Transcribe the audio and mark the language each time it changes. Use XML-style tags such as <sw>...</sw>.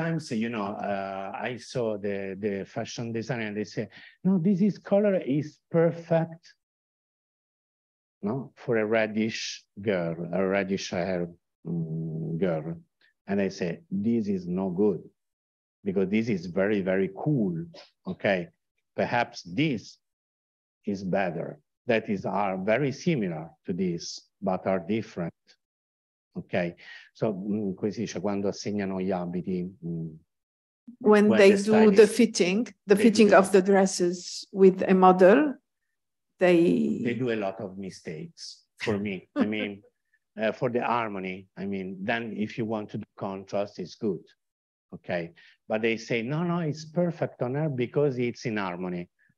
<en>Sometimes, you know, I saw the fashion designer and they say, no, this is color is perfect, no, for a reddish girl, a reddish hair girl. And I say, this is no good, because this is very, very cool, okay? Perhaps this is better. That is, are very similar to this, but are different, okay?</en> <it>So, come si dice, quando assegnano gli abiti?</it> <en>When they do the fitting, the fitting of the dresses with a model, they do a lot of mistakes, for me. I mean, for the harmony, I mean, then if you want to do contrast, it's good. Okay, but they say, no, it's perfect on her because it's in harmony.</en>